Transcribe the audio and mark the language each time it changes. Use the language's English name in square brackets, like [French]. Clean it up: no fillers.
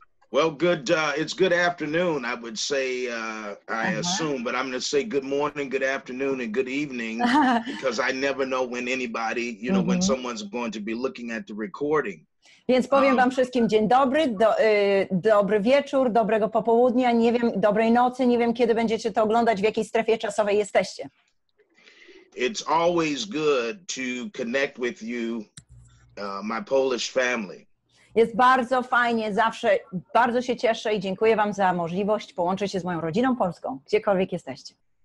[English] Well, good, it's good afternoon, I would say, I assume, but I'm going to say good morning, good afternoon, and good evening, because I never know when anybody, you know, when someone's going to be looking at the recording. [Polish] Więc powiem wam wszystkim dzień dobry, dobry wieczór, dobrego popołudnia, nie wiem, dobrej nocy, nie wiem, kiedy będziecie to oglądać, w jakiej strefie czasowej jesteście. [English] It's always good to connect with you, my Polish family. [Polish] Jest bardzo fajnie, zawsze bardzo się cieszę i dziękuję wam za możliwość połączyć się z moją rodziną polską, gdziekolwiek jesteście.